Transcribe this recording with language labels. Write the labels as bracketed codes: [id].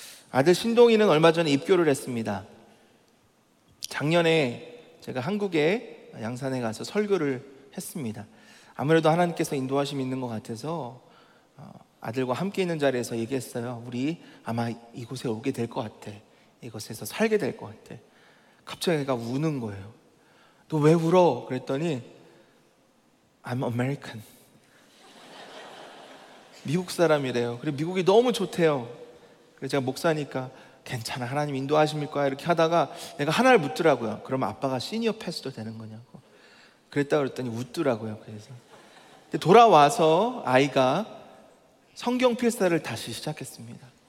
[ko] 아들 신동이는 얼마 전에 입교를 했습니다. 작년에 제가 한국에 양산에 가서 설교를 했습니다. 아무래도 하나님께서 인도하심이 있는 것 같아서 아들과 함께 있는 자리에서 얘기했어요. 우리 아마 이곳에 오게 될 것 같아. 이곳에서 살게 될 것 같아. 갑자기 애가 우는 거예요. 너 왜 울어? 그랬더니 [en] I'm American. [ko] 미국 사람이래요. 그리고 미국이 너무 좋대요. 그래서 제가 목사니까 괜찮아, 하나님 인도하심일 거야 이렇게 하다가 내가 하나를 묻더라고요. 그럼 아빠가 시니어 패스도 되는 거냐고. 그랬다 그랬더니 웃더라고요. 그래서 근데 돌아와서 아이가 성경 필사를 다시 시작했습니다.